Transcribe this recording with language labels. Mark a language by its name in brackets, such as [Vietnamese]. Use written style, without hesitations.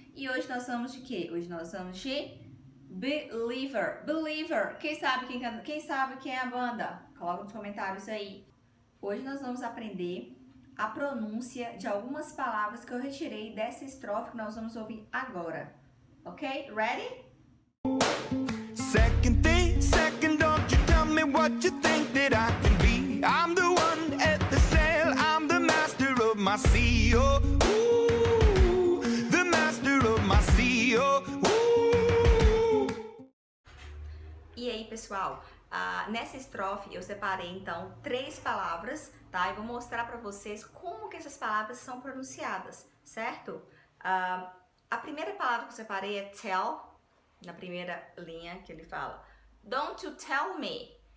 [Portuguese] E hoje nós somos de quê? Hoje nós somos de Believer. Believer! Quem sabe quem é a banda? Coloca nos comentários aí. Hoje nós vamos aprender a pronúncia de algumas palavras que eu retirei dessa estrofe que nós vamos ouvir agora. [English] Ok? Ready? Second thing, second, don't you tell me what you think that I can be. I'm the one at the sail, I'm the master of my sea, oh, ooh, the master of my sea, oh, ooh. [Portuguese] E aí, pessoal? Nessa estrofe eu separei então três palavras, tá? E vou mostrar para vocês como que essas palavras são pronunciadas, certo? A primeira palavra que eu separei é tell. Na primeira linha que ele fala, [English] don't you tell me.